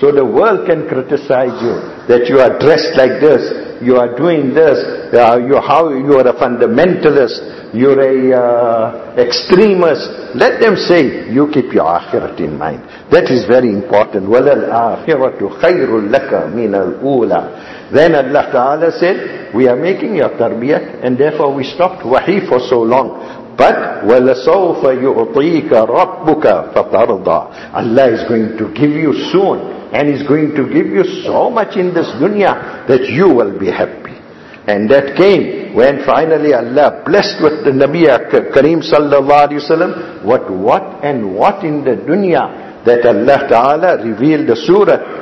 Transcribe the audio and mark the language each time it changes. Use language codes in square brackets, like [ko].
[en] So the world can criticize you, that you are dressed like this, you are doing this, you are a fundamentalist, you're a extremist. Let them say, you keep your akhirat in mind. That is very important. [ar] وَلَلْ أَخِرَةُ خَيْرٌ لَكَ مِنَ الْأُولَىٰ. [en] Then Allah Ta'ala said, we are making your tarbiyah, and therefore we stopped wahi for so long. [ar] But وَلَسَوْفَ يُعْطِيكَ رَبُّكَ فَتَرْضَىٰ. [en] Allah is going to give you soon, and is going to give you so much in this dunya that you will be happy. And that came when finally Allah blessed with the Nabi Kareem sallallahu alayhi wa sallam. What in the dunya that Allah Ta'ala revealed the surah.